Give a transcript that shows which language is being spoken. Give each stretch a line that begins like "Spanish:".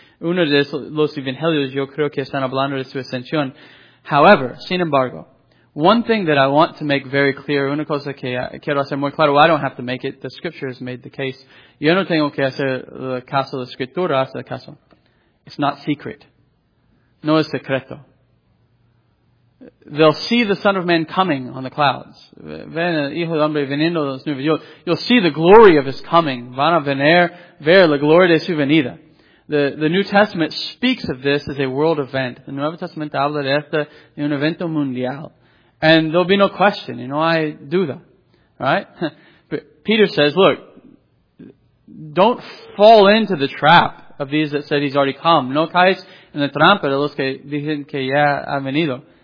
Spanish: Uno de los evangelios, yo creo que están hablando de su ascensión.
English: However,
Spanish: sin embargo,
English: one thing that I want to make very clear,
Spanish: una cosa que quiero hacer muy claro,
English: well, I don't have to make it, the Scripture has made the case.
Spanish: Yo no tengo que hacer el caso de la Escritura, hace el caso.
English: It's not secret.
Spanish: No es secreto.
English: They'll see the Son of Man coming on the clouds.
Spanish: Ven el Hijo del Hombre veniendo de los nubes.
English: You'll see the glory of his coming.
Spanish: Van a venir, ver la gloria de su venida.
English: The New Testament speaks of this as a world event.
Spanish: The Nuevo Testament habla de esto en un evento mundial.
English: And there'll be no question. You know, I do that. Right? But Peter says, look, don't fall into the trap of these that said he's already come.
Spanish: No caes en la trampa de los que dicen que ya ha venido.